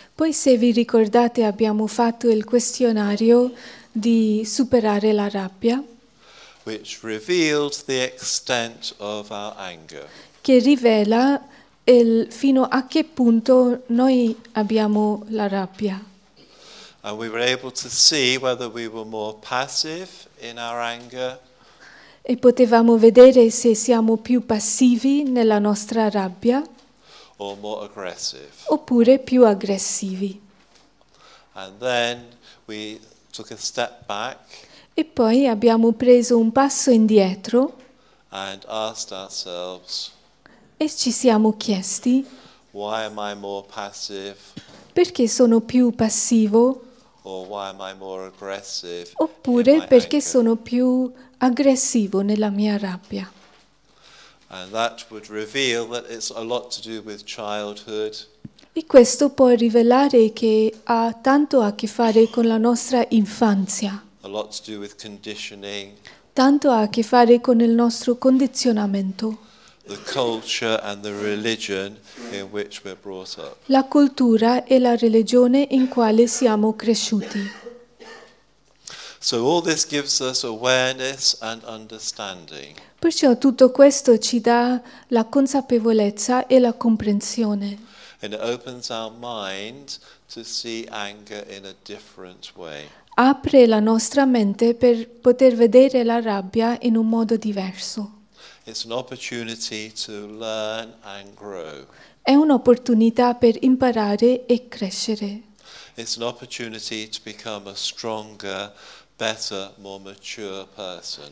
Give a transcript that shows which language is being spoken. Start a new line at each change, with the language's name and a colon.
Italian: Poi se vi ricordate abbiamo fatto il questionario di superare la rabbia.
English: Which revealed the extent of our anger.
Italian: Che rivela il fino a che punto noi abbiamo la rabbia.
English: And we were able to see whether we were more passive in our anger.
Italian: E potevamo vedere se siamo più passivi nella nostra rabbia.
English: Or more aggressive.
Italian: Oppure più aggressivi.
English: And then we took a step back.
Italian: E poi abbiamo preso un passo indietro.
English: And asked ourselves.
Italian: E ci siamo chiesti,
English: why am I more passive?
Italian: Perché sono più passivo?
English: Or why am I more aggressive?
Italian: Oppure perché
English: anger?
Italian: Sono più aggressivo nella mia rabbia?
English: And that would reveal that it's a lot to do with childhood.
Italian: E questo può rivelare che ha tanto a che fare con la nostra infanzia.
English: A lot to do with conditioning.
Italian: Tanto a che fare con il nostro condizionamento.
English: The culture and the religion in which we're brought up.
Italian: La cultura e la religione in quale siamo cresciuti.
English: So all this gives us awareness and understanding.
Italian: Perciò tutto questo ci dà la consapevolezza e la comprensione.
English: And it opens our mind to see anger in a different way.
Italian: Apre la nostra mente per poter vedere la rabbia in un modo diverso.
English: It's an opportunity to learn and grow.
Italian: È un'opportunità per imparare e crescere.
English: It's an opportunity to become a stronger, better, more mature person.